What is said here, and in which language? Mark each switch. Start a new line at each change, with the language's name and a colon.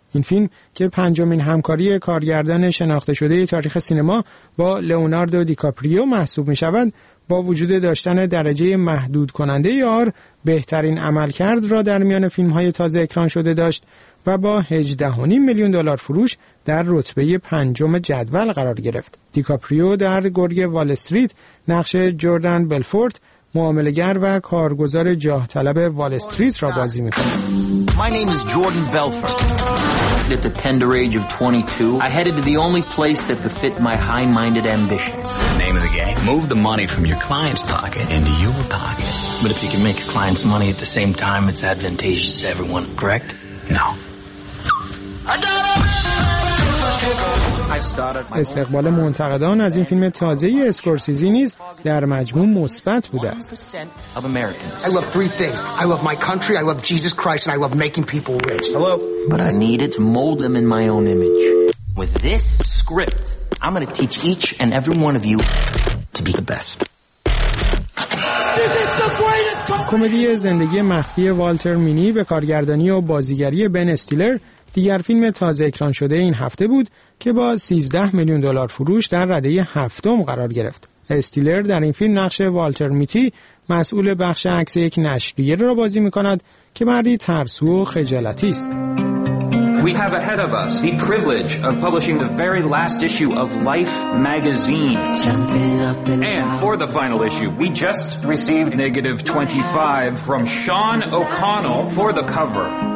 Persian: این فیلم که پنجمین همکاری کارگردان شناخته شده تاریخ سینما با لئوناردو دیکاپریو محسوب می شود، با وجود داشتن درجه محدود کننده آر بهترین عملکرد را در میان فیلم های تازه اکران شده داشت و با 18.5 میلیون دلار فروش در رتبه پنجم جدول قرار گرفت. دیکاپریو در گرگ وال استریت نقش جوردن بلفورت، معامله‌گر و کارگزار جاه طلب وال استریت را بازی می‌کند.
English: My name is Jordan Belfort. At the tender age of 22, I headed to the only place that befit my high-minded ambitions. Name of the game: move the money from your client's pocket into your pocket. But if you can make a client's money at the same time, it's advantageous to everyone, correct? No. I got it.
Persian: استقبال منتقدان از این فیلم تازه ای اسکورسیزی نیز در مجموع مثبت بوده است.
English: I love three things. I love my country, I love Jesus Christ and I love making people rich. Hello. But I need it to mold them in my own image. With this script, I'm going to teach each and every one of you to be the best.
Persian: کمدی زندگی مخفی والتر مینی به کارگردانی و بازیگری بن استیلر دیگر فیلم تازه اکران شده این هفته بود که با 13 میلیون دلار فروش در رده هفتم قرار گرفت. استیلر در این فیلم نقش والتر میتی، مسئول بخش عکس یک نشریه را بازی می‌کند که مردی ترسو و خجالتی است.
English: We have ahead of us the privilege of publishing the very last issue of Life magazine. And for the final issue, we just received negative 25 from Sean O'Connell for the cover.